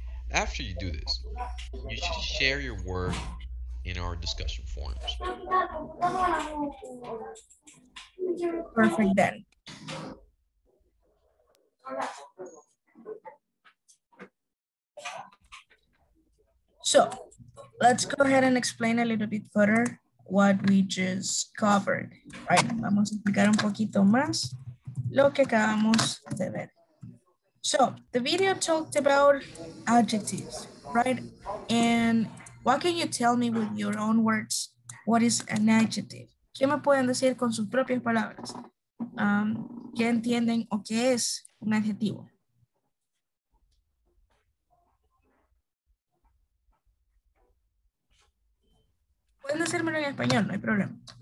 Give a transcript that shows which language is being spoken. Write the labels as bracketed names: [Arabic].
[English] After you do this, you should share your work in our discussion forums. Perfect then. So, let's go ahead and explain a little bit further what we just covered. [Spanish] Right, vamos a explicar un poquito más lo que acabamos de ver. [English] So, the video talked about adjectives, right? And what can you tell me with your own words? What is an adjective? [Spanish] ¿Qué me pueden decir con sus propias palabras? ¿Qué entienden o qué es un adjetivo? Pueden decírmelo en español, no hay problema.